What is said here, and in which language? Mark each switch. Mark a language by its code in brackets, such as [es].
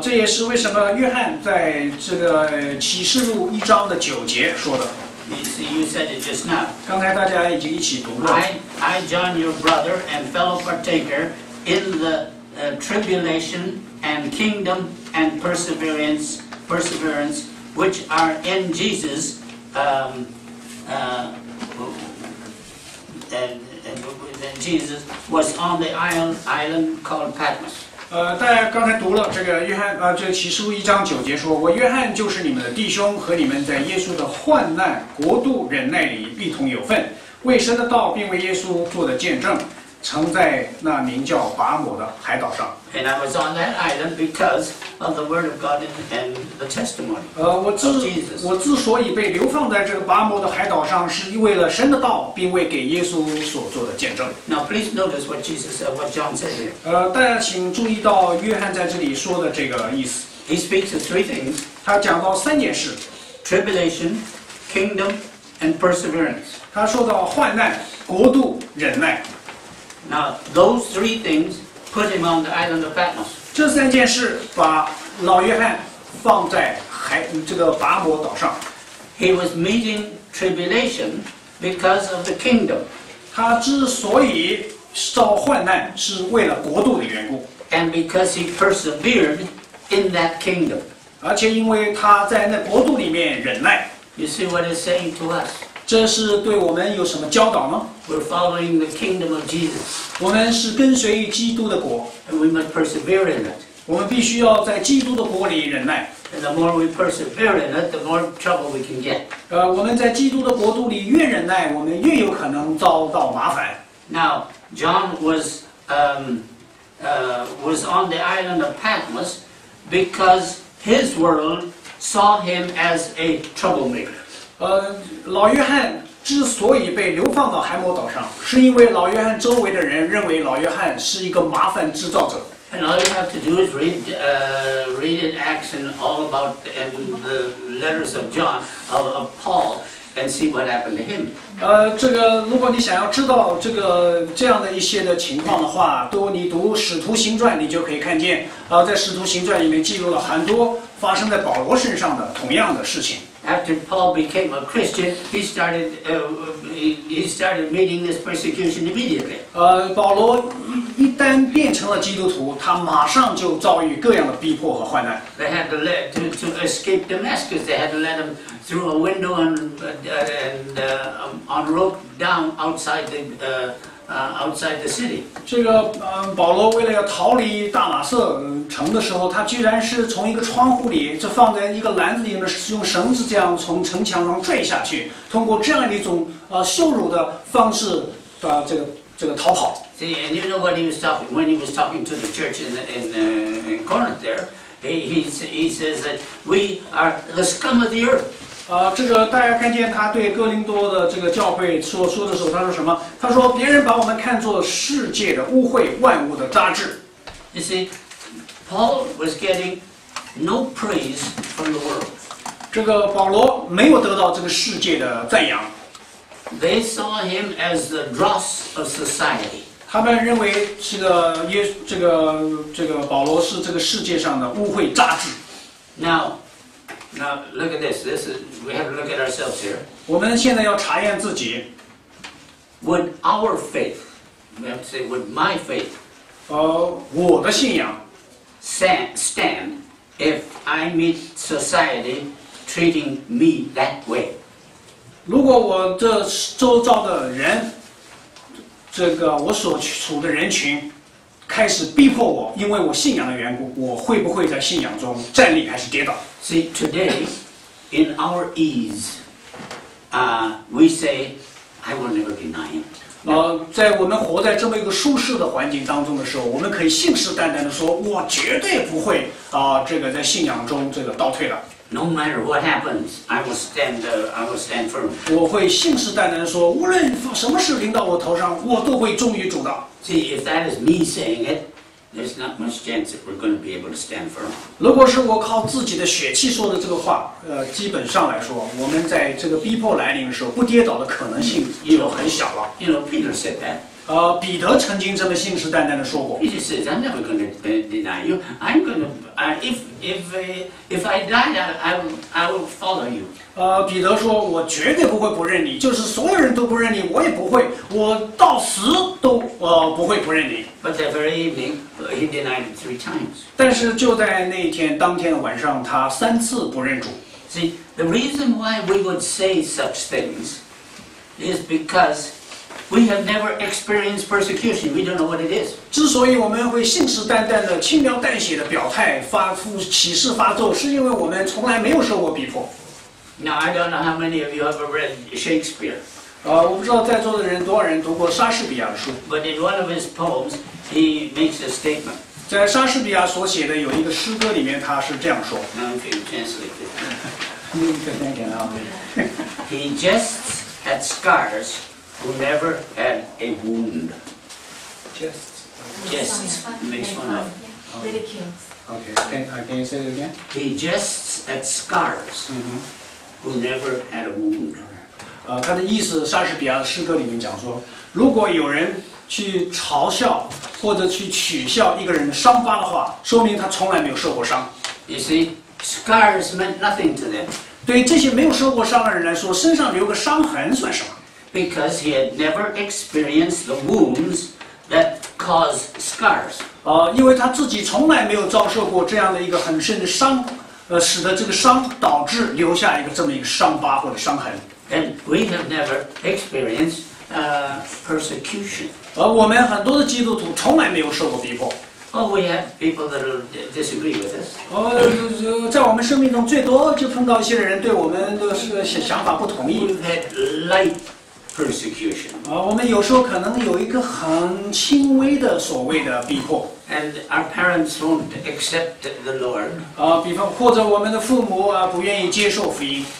[zh] 这也是为什么约翰在这个启示录一章的九节说的。 [en] You said it just now. [zh] 刚才大家已经一起读了。 [en] I, John, your brother and fellow partaker in the tribulation and kingdom and perseverance which are in Jesus, and Jesus was on the island called Patmos. [zh] 大家刚才读了这个约翰这启示录一章九节说，我约翰就是你们的弟兄，和你们在耶稣的患难国度忍耐里一同有份，为神的道并为耶稣做的见证，曾在那名叫拔摩的海岛上。 [en] And I was on that island because of the word of God and the testimony. [zh] 我之所以被流放在这个拔摩的海岛上，是为了神的道，并为给耶稣所做的见证。 [en] Now please notice what Jesus said, what John said here. [zh] 大家请注意到约翰在这里说的这个意思。 [en] He speaks of three things. [zh] 他讲到三件事 [en] ：tribulation, kingdom, and perseverance. [zh] 他说到患难、国度、忍耐。 [en] Now those three things put him on the island of Patmos. [zh] 这三件事把老约翰放在这个拔摩岛上。 [en] He was meeting tribulation because of the kingdom. [zh] 他之所以遭患难，是为了国度的缘故。 [en] And because he persevered in that kingdom. [zh] 而且因为他在那国度里面忍耐。 [en] You see what it's saying to us. [zh] 这是对我们有什么教导呢 [en] ？We're following the kingdom of Jesus. [zh] 我们是跟随于基督的国。 [en] And we must persevere in it. [zh] 我们必须要在基督的国里忍耐。 [en] And the more we persevere in it, the more trouble we can get. [zh] 我们在基督的国度里越忍耐，我们越有可能遭到麻烦。 [en] Now, John was on the island of Patmos because his world saw him as a troublemaker. [zh] 老约翰之所以被流放到海摩岛上，是因为老约翰周围的人认为老约翰是一个麻烦制造者。 [en] And all you have to do is read Acts and all about and the letters of John of Paul. and see what happened to him. [zh] 这个如果你想要知道这个这样的一些的情况的话，都你读《使徒行传》，你就可以看见，在《使徒行传》里面记录了很多发生在保罗身上的同样的事情。 [en] After Paul became a Christian, he started he started meeting this persecution immediately. [zh] 保罗一旦变成了基督徒，他马上就遭遇各样的逼迫和患难。 [en] They had to let to escape Damascus. They had to let him through a window on rope down outside the outside the city. [zh] 这个保罗为了要逃离大马色城的时候，他居然是从一个窗户里，就放在一个篮子里面，用绳子这样从城墙上坠下去，通过这样一种羞辱的方式的这个逃跑。 [en] See, and you know what he was talking when he was talking to the church in Corinth there, he says that we are the scum of the earth. [zh] 这个大家看见他对哥林多的这个教会说的时候，他说什么？他说别人把我们看作世界的污秽，万物的杂质。 [en] You see, Paul was getting no praise from the world. [zh] 这个保罗没有得到这个世界的赞扬。 [en] They saw him as the dross of society. [zh] 他们认为这个保罗是这个世界上的污秽杂质。 [en] Now look at this. This is we have to look at ourselves here. [zh] 我们现在要查验自己。 [en] Would our faith, we have to say, would my faith, [zh] 我的信仰 [en] stand if I meet society treating me that way? [zh] 如果我这周遭的人，这个我所处的人群，开始逼迫我，因为我信仰的缘故，我会不会在信仰中站立还是跌倒？ [en] See, today, in our ease, we say, I will never deny him. [zh] 在我们活在这么一个舒适的环境当中的时候，我们可以信誓旦旦地说，我绝对不会在信仰中倒退了。 [en] No matter what happens, I will stand firm. [zh] 我会信誓旦旦地说，无论什么事临到我头上，我都会忠于主的。 [en] See, if that is me saying it,There's not much chance that we're going to be able to stand firm. [zh] 如果是我靠自己的血气说的这个话，基本上来说，我们在这个逼迫来临的时候，不跌倒的可能性就很小了。 [en] You know, Peter said that. [zh] 彼得曾经这么信誓旦旦的说过。 [en] Peter says, "I'm never going to deny you. I'm going to, if I die, I will follow you." [zh] 彼得说，我绝对不会不认你，就是所有人都不认你，我也不会，我到死都不会不认你。 [en] But that very evening, he denied it three times. [zh] 但是就在那一天，当天的晚上，他三次不认主。 [en] See, the reason why we would say such things is because we have never experienced persecution. We don't know what it is. [zh] 之所以我们会信誓旦旦的、轻描淡写的表态、发出起誓发咒，是因为我们从来没有受过逼迫。 [en] Now, I don't know how many of you have ever read Shakespeare. [zh] 我不知道在座的人多少人读过莎士比亚的书。 [en] But in one of his poems, he makes a statement. [zh] 在莎士比亚所写的有一个诗歌里面，他是这样说。 [en] Now, if you translate it. He jests at scars who never had a wound. Jests. Makes fun of. Ridicules. Okay, can you say it again? He jests at scars who never had a wound. [zh] 他的意思，莎士比亚的诗歌里面讲说，如果有人去嘲笑或者去取笑一个人的伤疤的话，说明他从来没有受过伤。 [en] You see, scars meant nothing to them. [zh] 对这些没有受过伤的人来说，身上留个伤痕算什么 [en] ？Because he had never experienced the wounds that cause scars. [zh] 因为他自己从来没有遭受过这样的一个很深的伤，使得这个伤导致留下一个这么一个伤疤或者伤痕。 [en] And we have never experienced persecution. [zh] 我们很多的基督徒从来没有受过逼迫。 [en] Oh, we have people that disagree with us. [zh] 在我们生命中最多就碰到一些人对我们的想法不同意。 [en] We've had light persecution. [zh] 我们有时候可能有一个很轻微的所谓的逼迫。 [en] And our parents won't accept the Lord. [zh] 比方或者我们的父母不愿意接受福音。